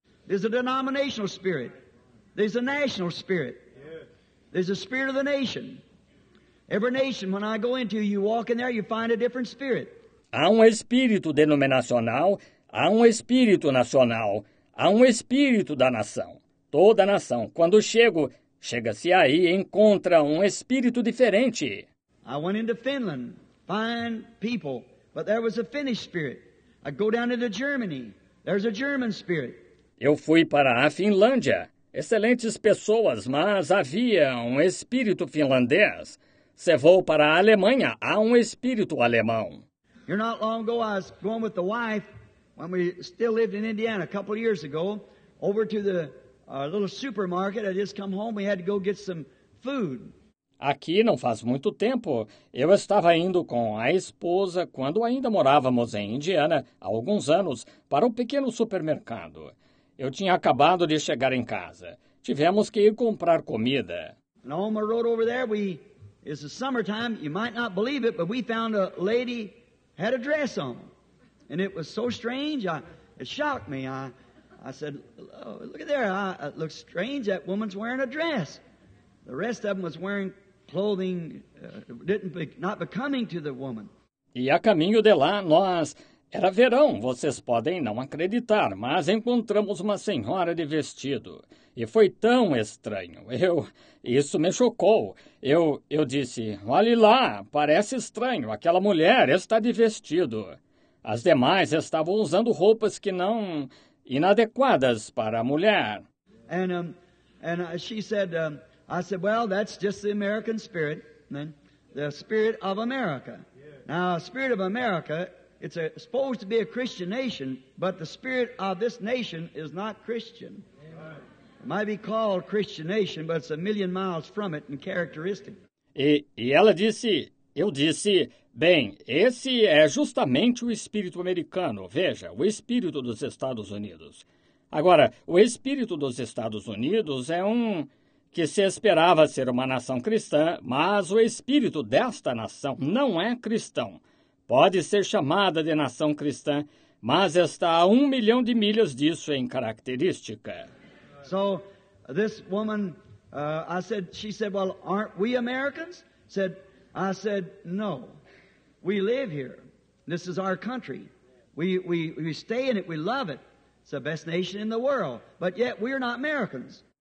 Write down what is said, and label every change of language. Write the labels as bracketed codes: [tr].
[en] There's a denominational spirit. There's a national spirit. There's a spirit of the nation. Every nation, when I go into, you walk in there, you find a different spirit. [pt] Há um Espírito denominacional. Há um espírito nacional, há um espírito da nação. Toda a nação, quando chego, chega-se aí e encontra um espírito diferente. [en] I went into Finland, fine people, but there was a Finnish spirit. I go down into Germany, there's a German spirit. [pt] Eu fui para a Finlândia, excelentes pessoas, mas havia um espírito finlandês. Se vou para a Alemanha, há um espírito alemão. [en] You're not long ago, I was going with the wife. When we still lived in Indiana a couple of years ago, over to the little supermarket, I just come home, we had to go get some food. [pt] Aqui, não faz muito tempo, eu estava indo com a esposa, quando ainda morávamos em Indiana, há alguns anos, para um pequeno supermercado. Eu tinha acabado de chegar em casa. Tivemos que ir comprar comida. [en] And on my road over there, it's the summertime. You might not believe it, but we found a lady had a dress on. And it was so strange, it shocked me. I said, oh, look at there. It looks strange. That woman's wearing a dress. The rest of them was wearing clothing not becoming to the woman. [pt] E a caminho de lá, nós... Era verão, vocês podem não acreditar, mas encontramos uma senhora de vestido. E foi tão estranho. Isso me chocou. Eu disse, olhe lá, parece estranho, aquela mulher está de vestido. As demais estavam usando roupas que não... inadequadas para a mulher. [en] And she said, I said, well, that's just the American spirit, man. The spirit of America. Now, spirit of America... It's supposed to be a Christian nation, but the spirit of this nation is not Christian. Amen. It might be called Christian nation, but it's a million miles from it in characteristic. [pt] E ela disse, eu disse, bem, esse é justamente o espírito americano. Veja, o espírito dos Estados Unidos. Agora, o espírito dos Estados Unidos é um que se esperava ser uma nação cristã, mas o espírito desta nação não é cristão. Pode ser chamada de nação cristã, mas está a 1 milhão de milhas disso em característica. [en] So, this woman, she said, well, aren't we Americans? I said, no, we live here. This is our country. We stay in it. We love it. It's the best nation in the world. But yet, we are not Americans.